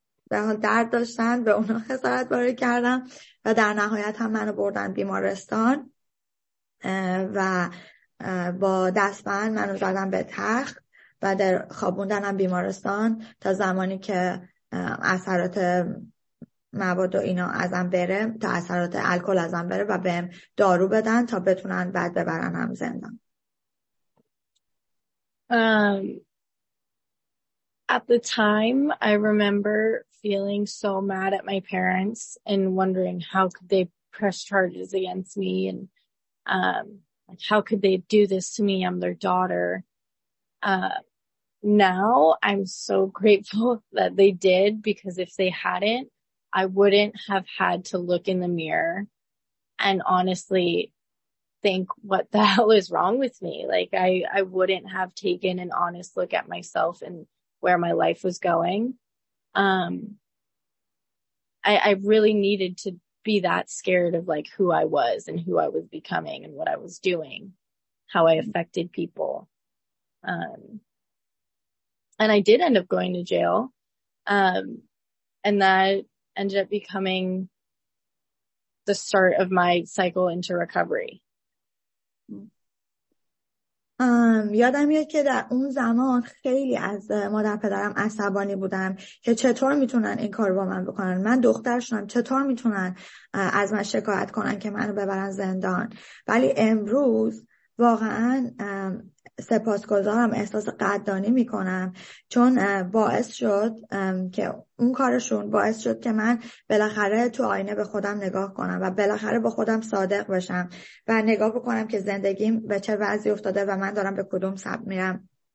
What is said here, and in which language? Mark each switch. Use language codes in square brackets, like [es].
[fa] به حال درد داشتن، به اونا خسارت وارد کردم و در نهایت هم منو بردن بیمارستان و با دستبند منو زدن به تخت و در خوابوندنم بیمارستان تا زمانی که اثرات مواد و اینا ازم بره، تا اثرات الکل ازم بره و بهم دارو بدن تا بتونن بعد ببرنم زندان. [en] At the time, I remember feeling so mad at my parents and wondering how could they press charges against me and how could they do this to me? I'm their daughter. Now I'm so grateful that they did, because if they hadn't, I wouldn't have had to look in the mirror and honestly think, what the hell is wrong with me? Like, I wouldn't have taken an honest look at myself and where my life was going. I really needed to be that scared of like who I was and who I was becoming and what I was doing, how I affected people. And I did end up going to jail. And that ended up becoming the start of my cycle into recovery. [fa] یادم میاد که در اون زمان خیلی از مادر پدرم عصبانی بودم که چطور میتونن این کار با من بکنن، من دخترشونم، چطور میتونن از من شکایت کنن که منو ببرن زندان. ولی امروز واقعا سپاسگزارم، احساس قدردانی میکنم، چون باعث شد که اون کارشون باعث شد که من بالاخره تو آینه به خودم نگاه کنم و بالاخره با خودم صادق بشم و نگاه بکنم که زندگیم به چه وضعی افتاده و من دارم به کدوم سمت میرم.